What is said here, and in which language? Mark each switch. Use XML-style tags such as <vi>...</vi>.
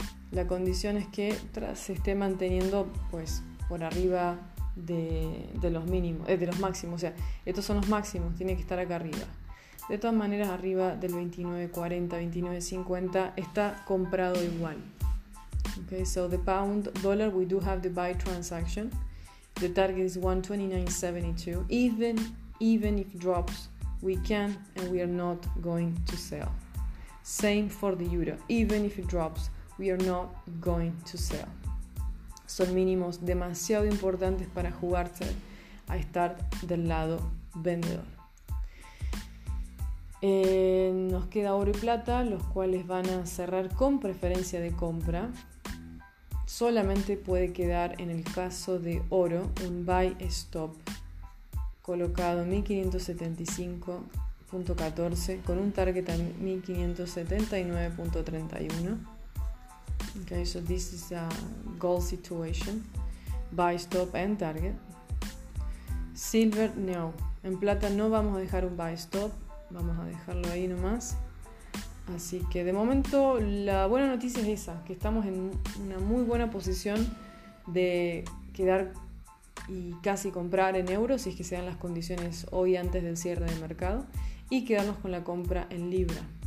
<es>La condición es que se esté manteniendo pues por arriba de los máximos, o sea, estos son los máximos, tiene que estar acá arriba. De todas maneras, arriba del 29.40, 29.50, está comprado igual.</es> <en>Okay, so the pound dollar, we do have the buy transaction. The target is 129.72. Even if drops, we can and we are not going to sell. Same for the euro. Even if it drops, we are not going to sell.</en> <es>Son mínimos demasiado importantes para jugarse a estar del lado vendedor. Nos queda oro y plata, los cuales van a cerrar con preferencia de compra. Solamente puede quedar en el caso de oro un buy stop colocado 1575.14 con un target a 1579.31.</es> <en>Okay, so this is a gold situation, buy stop and target. Silver, no.</en> <es>En plata no vamos a dejar un buy stop. Vamos a dejarlo ahí nomás. Así que de momento la buena noticia es esa, que estamos en una muy buena posición de quedar y casi comprar en euros, si es que sean las condiciones hoy antes del cierre del mercado, y quedarnos con la compra en libra.</es>